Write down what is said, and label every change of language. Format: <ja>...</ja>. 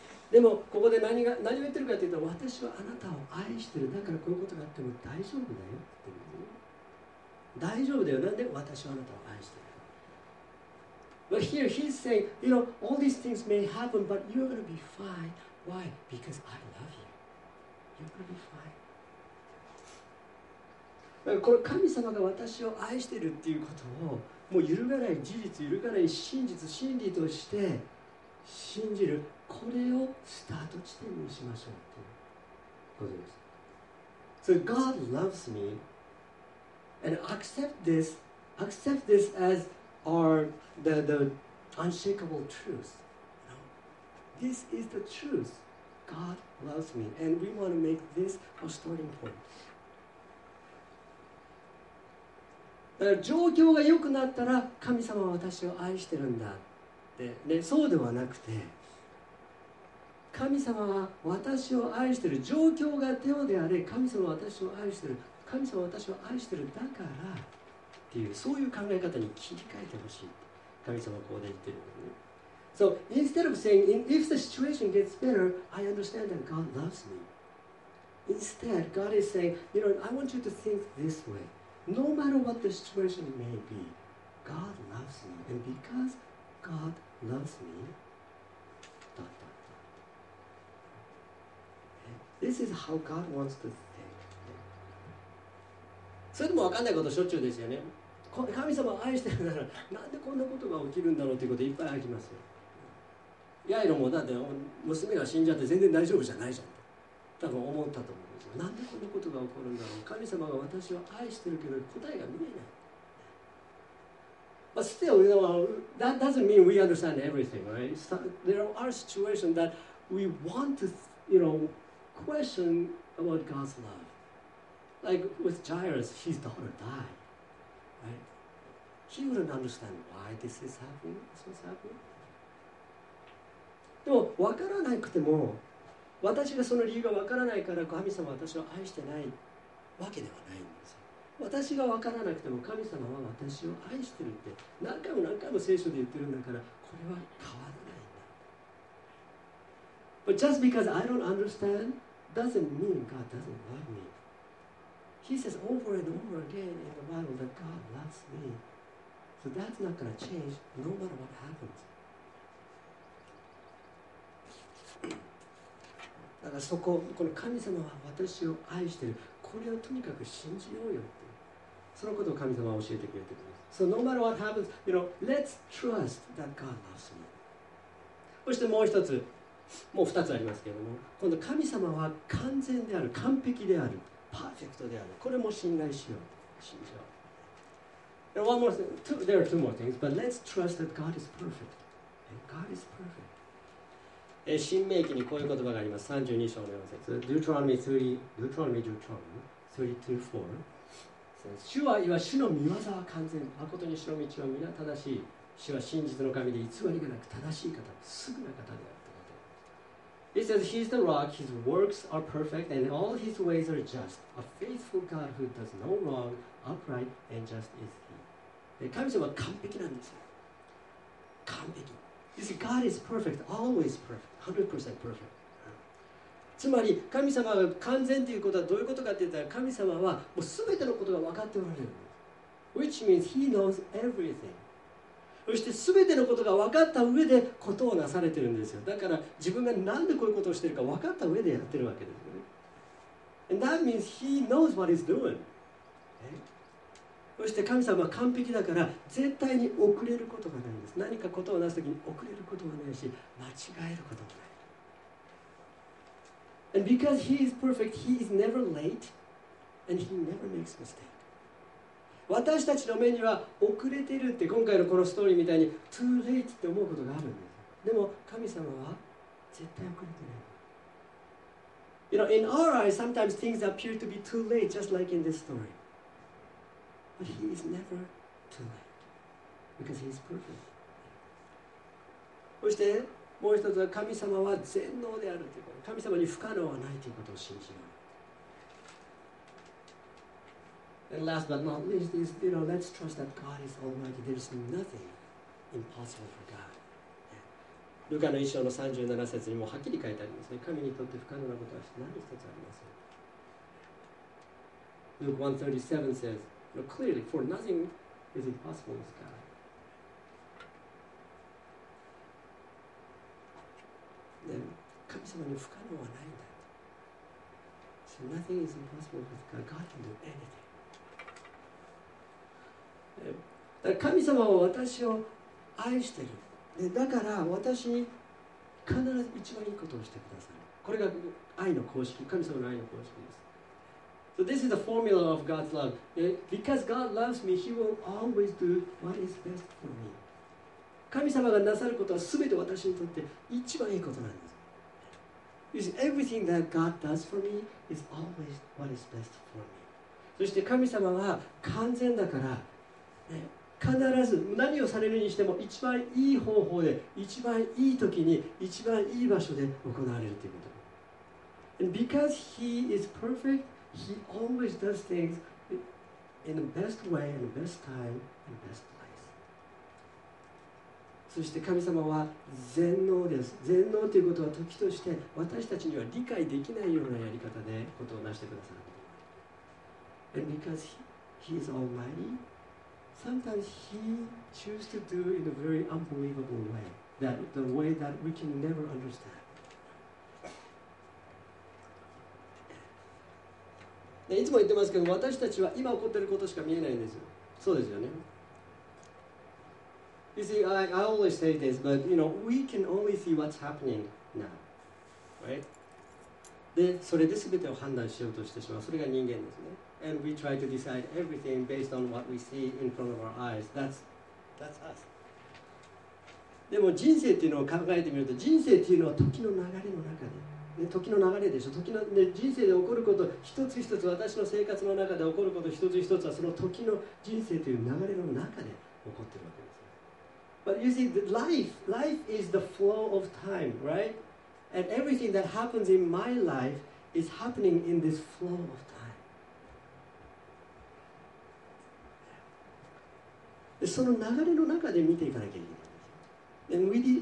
<ja>でもここで何を言ってるかというと、私はあなたを愛してる、だからこういうことがあっても大丈夫だよって言ってる。大丈夫だよ、なんで私はあなたを愛してる。</ja> <en>But here he's saying, you know, all these things may happen, but you're going to be fine. Why? Because I love you. You're going to be fine.</en> <ja>これ神様が私を愛してるっていうことをもう揺るがない事実、揺るがない真実、真理として信じる、これをスタート地点にしましょうっていうことです。</ja> <en>So God loves meAnd accept this as our the unshakable truth. You know? This is the truth. God loves me. And we want to make this our starting point.</en> <ja>だから状況が良くなったら神様は私を愛してるんだって、ね、そうではなくて、神様は私を愛してる、状況がどうであれ神様は私を愛してる、神様は私を愛してるだからっていう、そういう考え方に切り替えてほしい。神様はここで言ってるんだよね。</ja> <en>So instead of saying, if the situation gets better, I understand that God loves me. Instead, God is saying, you know, I want you to think this way. No matter what the situation may be, God loves me. And because God loves me, dot, dot, dot. This is how God wants to think.</en> <ja>それでも分かんないことしょっちゅうですよね。神様を愛してるならなんでこんなことが起きるんだろうということいっぱいありますよ。ヤイロもだって娘が死んじゃって全然大丈夫じゃないじゃんと多分思ったと思うんですよ。なんでこんなことが起こるんだろう、神様が私を愛してるけど答えが見えない。</ja> <en>But still, you know, that doesn't mean we understand everything, right? There are situations that we want to, you know, question about God's love. Like with Jairus, his daughter died, right? He wouldn't understand why this is happening, this was happening.</en> <ja>でも分からなくても、私がその理由が分からないから神様は私を愛してないわけではないんですよ。私が分からなくても神様は私を愛してるって何回も何回も聖書で言ってるんだから、これは変わらないんだ。</ja> <en>But just because I don't understand doesn't mean God doesn't love me. He says over and over again in the Bible that God loves me. So that's not going to change no matter what happens.</en> <ja>だからそこ、この神様は私を愛してる。これをとにかく信じようよって。そのことを神様は教えてくれてます。</ja> <en>So no matter what happens, you know, let's trust that God loves me.</en> <ja>そしてもう一つ、もう二つありますけれども、今度神様は完全である、完璧である。パーフェクトである。これも信頼しよう。信じよう。</ja> <en>One more thing. There are two more things, but let's trust that God is perfect. And God is perfect.</en> <ja>新命記にこういう言葉があります。 32章の4節。</ja> <en>Deuteronomy 32:4 says,</en> <ja>主は、いわ主の御業は完全。誠に主の道は皆正しい。主は真実の神で偽りがなく正しい方、すぐな方である。</ja> <en>He says, He is the rock, His works are perfect, and all His ways are just. A faithful God who does no wrong, upright, and just is He.</en> <ja>神様は完璧なんですよ。完璧。</ja> <en>You see, God is perfect, always perfect, 100% perfect.</en> <ja>つまり、神様が完全ということはどういうことかって言ったら、神様はもう全てのことが分かっておられる。</ja> <en>Which means He knows everything.</en> <ja>そして全てのことが分かった上でことをなされてるんですよ。だから自分がなんでこういうことをしてるか分かった上でやってるわけですよね。</ja> <en>And that means he knows what he's doing.、Okay?</en> <ja>そして神様は完璧だから絶対に遅れることがないんです。何かことをなすときに遅れることはないし、間違えることもない。</ja> <en>And because he is perfect, he is never late, and he never makes mistake.</en> <ja>私たちの目には遅れてるって今回のこのストーリーみたいに</ja> <en>too late</en> <ja>って思うことがあるんです。でも神様は絶対遅れてない。</ja> <en>You know, in our eyes, sometimes things appear to be too late, just like in this story. But he is never too late, because he is perfect.</en> <ja>そしてもう一つは神様は全能であるということ、神様に不可能はないということを信じる。</ja> <en>And last but not least is, you know, let's trust that God is almighty. There is nothing impossible for God.</en> <ja>ルカの一章の37節にもはっきり書いてありますね。神にとって不可能なことは何一つありません。</ja> <en>Luke 1:37 says, no, clearly, for nothing is impossible with God.</en> <ja>で、神様に不可能はないんだと。</ja> <en>So nothing is impossible with God. God can do anything.</en> <ja>だから神様は私を愛してる。でだから私に必ず一番いいことをしてください。これが愛の公式、神様の愛の公式です。</ja> <en>So this is the formula of God's love. Because God loves me, He will always do what is best for me.</en> <ja>神様がなさることは全て私にとって一番いいことなんです。</ja> <en>You see, everything that God does for me is always what is best for me.</en> <ja>そして神様は完全だから、ね、必ず何をされるにしても一番いい方法で、一番いい時に、一番いい場所で行われるということ。</ja> <en>And because he is perfect, he always does things in the best way, in the best time, in the best place.</en> <ja>そして神様は全能です。全能ということは時として私たちには理解できないようなやり方でことをなしてくださる。</ja> <en>And because he is almightySometimes he chooses to do in a very unbelievable way, that the way that we can never understand.</en> <ja>ね、いつも言ってますけど、私たちは今起こっていることしか見えないんですよ。そうですよね。</ja> <en>You see, I always say this, but you know, we can only see what's happening now, right?</en> <ja>で、それで全てを判断しようとしてしまう。それが人間ですね。</ja> <en>And we try to decide everything based on what we see in front of our eyes. That's us.</en> <ja>でも人生っていうのを考えてみると、人生っていうのは時の流れの中で、ね、時の流れでしょ。時の、ね、人生で起こること、一つ一つ私の生活の中で起こること一つ一つは、その時の人生という流れの中で起こってるわけです。</ja> <en>But you see, life is the flow of time, right? And everything that happens in my life is happening in this flow of time.</en> <ja>その流れの中で見ていかなきゃいけないんです</ja>